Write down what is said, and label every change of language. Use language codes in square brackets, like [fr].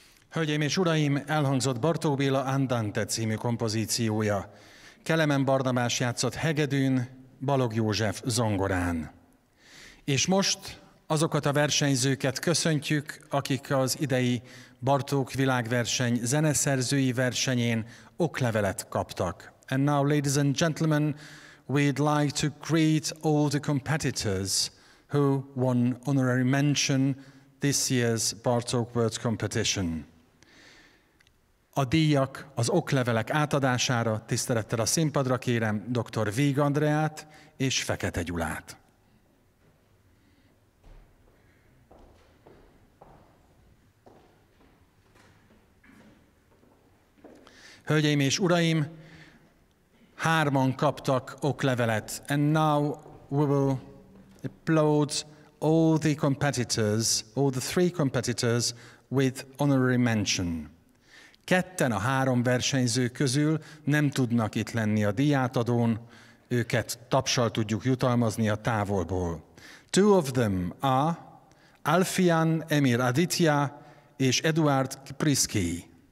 [hu] Hölgyeim és uraim, elhangzott Bartók Béla Andante című kompozíciója. Kelemen Barnabás játszott hegedűn, Balog József zongorán. És most azokat a versenyzőket köszöntjük, akik az idei Bartók világverseny zeneszerzői versenyén oklevelet kaptak. [en] And now, ladies and gentlemen, we'd like to greet all the competitors who won honorary mention this year's Bartók World Competition. [hu] A díjak az oklevelek átadására tisztelettel a színpadra kérem dr. Vigh Andreát és Fekete Gyulát. Hölgyeim és uraim, hárman kaptak oklevelet. [en] And now we will applaud all the competitors, all the three competitors with honorary mention. [hu] Ketten a három versenyző közül nem tudnak itt lenni a díjátadón, őket tapssal tudjuk jutalmazni a távolból. [en] Two of them are Alfian Emir Aditya [hu] és [en] Eduard Kipriski.